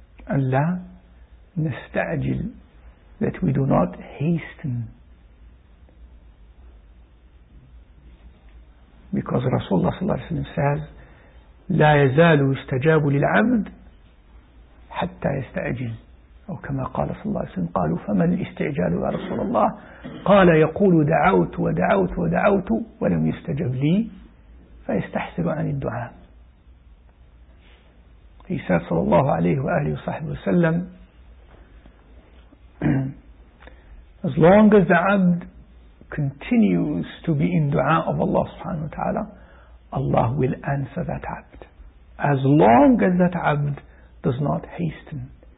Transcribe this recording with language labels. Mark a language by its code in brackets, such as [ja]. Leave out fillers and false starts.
[en] Allah nasta'ajil. That we do not hasten. Because Rasulullah sallallahu alayhi wa sallam says, لا يزال يستجاب للعبد حتى يستعجل. [ar] أو كما قال صلى الله عليه وسلم, قالوا فما الاستعجال يا رسول الله؟ قال يقول دعوت ودعوت ودعوت ولم يستجب لي فيستحسر عن الدعاء. [en] He said صلى الله عليه وآله وصحبه وسلم, as long as the abd continues to be in dua of Allah subhanahu wa ta'ala, Allah will answer that abd. As long as that abd does not hasten.